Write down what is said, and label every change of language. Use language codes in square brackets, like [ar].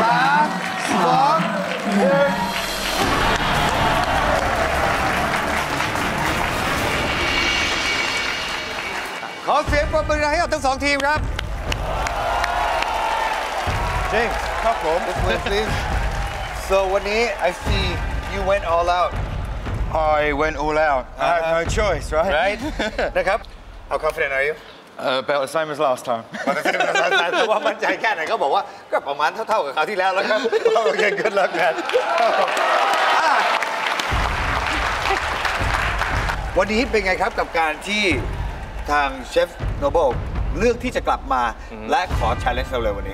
[th] 9 8 7 6 5 4 3 2 1ขอเสียงปรบมือให้กับทั้งสองทีมครับ จริงครับผม [en] So วันนี้ I see you went all out I went all out I have no choice right right นะครับHow confident are you? About the same as last time. [th] แต่ว่ามั่นใจแค่ไหนก็บอกว่าก็ประมาณเท่าๆกับคราวที่แล้วแล้วครับโอเค [en] good luck man. [th] วันนี้เป็นไงครับกับการที่ทางเชฟโนเบลเลือกที่จะกลับมาและขอ challenge เราเลยวันนี